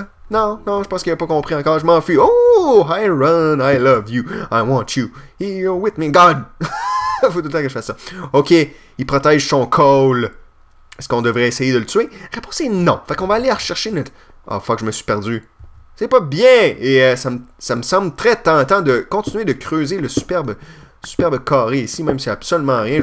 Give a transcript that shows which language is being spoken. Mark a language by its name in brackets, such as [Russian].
[French] Non, je pense qu'il a pas compris encore, je m'enfuis. [English] Oh, High Run, I love you, I want you, here with me, God! [French] Faut tout le temps que je fasse ça. Ok, il protège son Cole. Est-ce qu'on devrait essayer de le tuer? Réponse est non. Fait qu'on va aller rechercher notre... [English] Oh, fuck, [French] je me suis perdu. C'est pas bien! Et ça me semble très tentant de continuer de creuser le superbe carré ici, même s'il n'y a absolument rien.